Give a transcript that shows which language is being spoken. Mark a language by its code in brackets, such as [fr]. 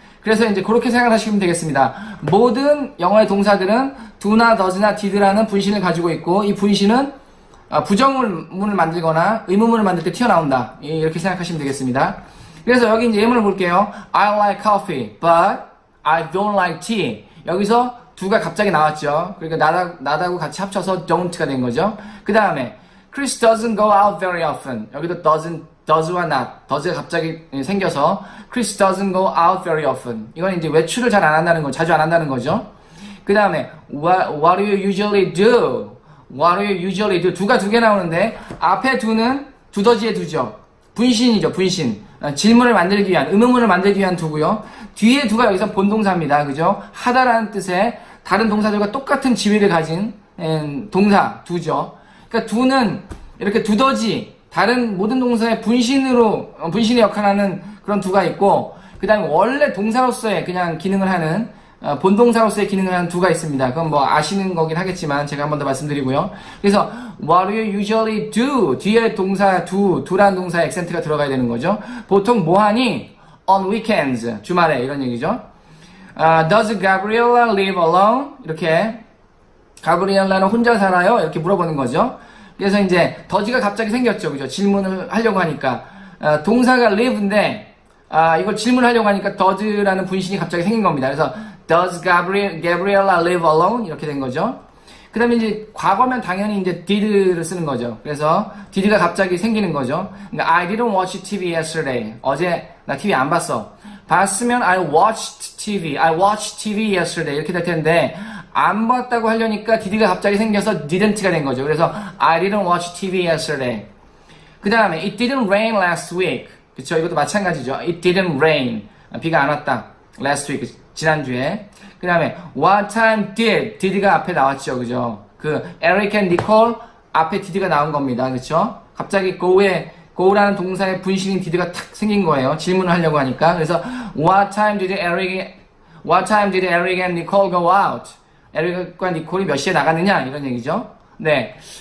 [ko] 그래서 이제 그렇게 생각하시면 되겠습니다. 모든 영어의 동사들은 do나 does나 did라는 분신을 가지고 있고 이 분신은 부정문을 만들거나 의문문을 만들 때 튀어나온다. 이렇게 생각하시면 되겠습니다. 그래서 여기 이제 예문을 볼게요. [en] I like coffee, but I don't like tea. [ko] 여기서 두가 갑자기 나왔죠. 그러니까 not하고 같이 합쳐서 don't가 된 거죠. [en] 그 다음에 Chris doesn't go out very often. [ko] 여기도 does와 not, does가 갑자기 생겨서 [en] Chris doesn't go out very often. [ko] 이건 이제 외출을 잘 안 한다는 거, 자주 안 한다는 거죠. 그 다음에 [en] what do you usually do? What do you usually do? [ko] 두가 두 개 나오는데 앞에 두는 두더지의 두죠. 분신이죠, 분신. 질문을 만들기 위한, 의문문을 만들기 위한 두고요. 뒤에 두가 여기서 본동사입니다. 그죠? 하다라는 뜻의 다른 동사들과 똑같은 지위를 가진 동사 두죠. 그러니까 두는 이렇게 두더지, 다른 모든 동사의 분신으로 분신의 역할하는 그런 두가 있고 그 다음에 원래 동사로서의 그냥 기능을 하는 본동사로서의 기능을 하는 두가 있습니다. 그건 뭐 아시는 거긴 하겠지만 제가 한 번 더 말씀드리고요. 그래서 [en] What do you usually do? [ko] 뒤에 동사 두란 동사의 액센트가 들어가야 되는 거죠. 보통 뭐하니? [en] On weekends, [ko] 주말에 이런 얘기죠. [en] Does Gabriella live alone? [ko] 이렇게 가브리엘라는 혼자 살아요? 이렇게 물어보는 거죠. 그래서 이제 더지가 갑자기 생겼죠. 그죠? 질문을 하려고 하니까 동사가 live인데 이걸 질문하려고 하니까 does라는 분신이 갑자기 생긴 겁니다. 그래서 [en] Does Gabriella live alone? [ko] 이렇게 된 거죠. 그 다음에 이제 과거면 당연히 이제 did를 쓰는 거죠. 그래서 did가 갑자기 생기는 거죠. [en] 그러니까 I didn't watch TV yesterday. [ko] 어제 나 TV 안 봤어. [en] 봤으면 I watched TV yesterday. [ko] 이렇게 될 텐데 안 봤다고 하려니까 did가 갑자기 생겨서 didn't가 된 거죠. 그래서 [en] I didn't watch TV yesterday. [ko] 그 다음에 [en] It didn't rain last week. [ko] 그렇죠. 이것도 마찬가지죠. [en] It didn't rain. [ko] 비가 안 왔다. Last week. 지난주에. [en] 그 다음에 What time did? [ko] Did가 앞에 나왔죠. 그죠. 그 Eric and Nicole 앞에 did가 나온 겁니다. 그렇죠. 갑자기 go에 go라는 동사의 분신인 did가 탁 생긴 거예요. 질문을 하려고 하니까. 그래서 [en] What time did Eric and Nicole go out? [ko] Eric과 Nicole이 몇 시에 나갔느냐? 이런 얘기죠. 네.